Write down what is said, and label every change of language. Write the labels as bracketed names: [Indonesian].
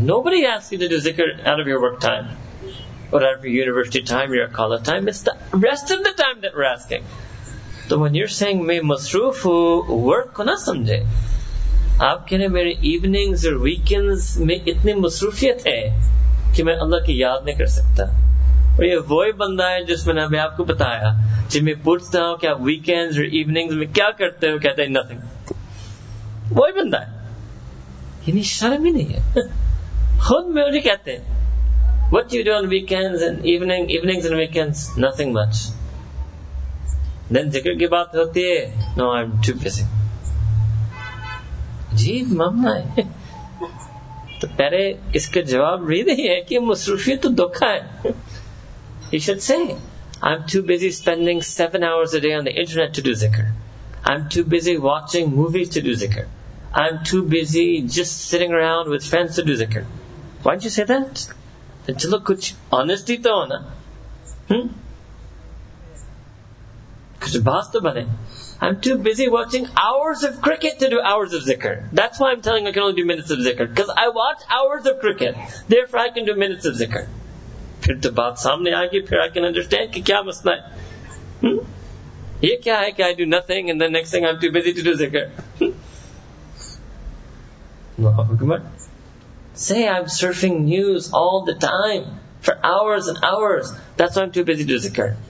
[English] Nobody asks you to do zikr out of your work time. Or out of your university time, your college time. It's the rest of the time that we're asking. So when you're saying, [Urdu] میں مصروف ہوں, work کو نہ سمجھے. آپ کہہ رہے ہیں میرے ایوننگز اور ویکینڈز میں اتنی مصروفیت ہے کہ میں اللہ کی یاد نہیں کر سکتا. اور یہ وہی بندہ ہے جس میں نے ابھی آپ کو بتایا, جب میں پوچھتا ہوں کہ آپ ویکینڈز اور ایوننگز میں کیا کرتے ہو, کہتے ہیں نتھنگ. وہی بندہ ہے, یعنی شرم ہی نہیں ہے. خود میں مجھے کہتے ہیں [English] what you do on weekends and evenings and weekends, nothing much. Then [Urdu] zikr ki baat hoti hai, [English] no, I'm too busy. [Urdu] جی ممنا ہے. تو پہلے اس کا جواب یہی ہے کہ مصروفیت تو دکھا ہے. [English] You should say, I'm too busy spending 7 hours a day on the internet to do zikr. I'm too busy watching movies to do zikr. I'm too busy just sitting around with friends to do zikr. Why don't you say that? Then [Urdu] chalo kuch honesty to ho na. Kuch baat to bane. [English] I'm too busy watching hours of cricket to do hours of zikr. That's why I'm telling you I can only do minutes of zikr. Because I watch hours of cricket. Therefore, I can do minutes of zikr. [Urdu] پھر تو بات سامنے آ گئی, پھر [English] I can understand [Urdu] کہ کیا مسئلہ ہے. یہ کیا ہے کہ [English] I do nothing and the next thing I am too busy to do ذکر. Say I am surfing news all the time for hours and hours, that's why I'm too busy to ذکر.